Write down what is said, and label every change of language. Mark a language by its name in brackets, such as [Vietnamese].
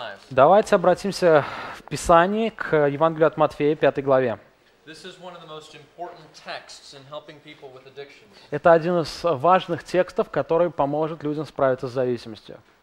[Russian] Давайте обратимся в Писание к Евангелию от Матфея, 5 главе. [English] This is one of the most important texts in helping people with addictions. [Russian] Это один из важных текстов, который поможет людям справиться с зависимостью.